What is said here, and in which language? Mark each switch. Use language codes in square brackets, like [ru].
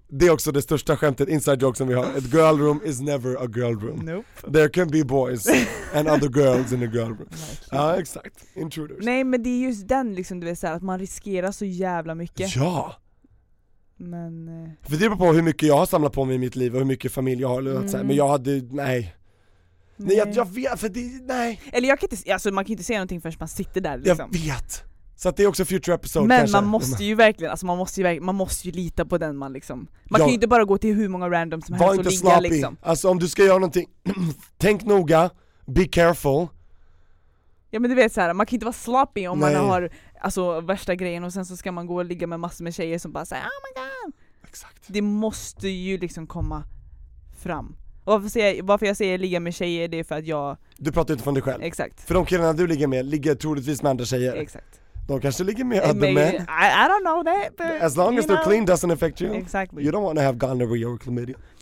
[sv] Det är också det största skämtet, [en] inside joke, [sv] som vi har. [en] A girl room is never a girl room. Nope. There can be boys and other girls in a girl room. [sv] Ja, [en] like [sv] exakt. Intruders. Nej, men det är just den liksom, du vet så här, att man riskerar så jävla mycket. Ja. Men, för det beror på hur mycket jag har samlat på mig i mitt liv och hur mycket familj jag har. Men jag hade, nej. Nej, jag vet, för det, nej. Eller jag kan inte, alltså, man kan inte säga någonting förrän man sitter där liksom. Jag vet. Så att det är också [en] future episode. [sv] Men kanske. Man måste ju verkligen, alltså, man måste ju lita på den man liksom. Man kan ju inte bara gå till hur många random som helst och ligga liksom. Alltså, om du ska göra någonting, tänk noga, [en] be careful. [sv] Ja, men du vet så här, man kan inte vara sloppy om man har, alltså, värsta grejen och sen så ska man gå och ligga med massor med tjejer som bara säger, [en] oh my god. [sv] Exakt. Det måste ju liksom komma fram. Och varför jag säger ligga med tjejer, det är för att jag... Du pratar inte från dig själv. Exakt. För de killarna du ligger med ligger troligtvis med andra tjejer. Exakt. De kanske ligger med [en] other men. I don't know that. But as long as they're clean doesn't affect you. Exactly. You don't want to have gonorrhea or chlamydia.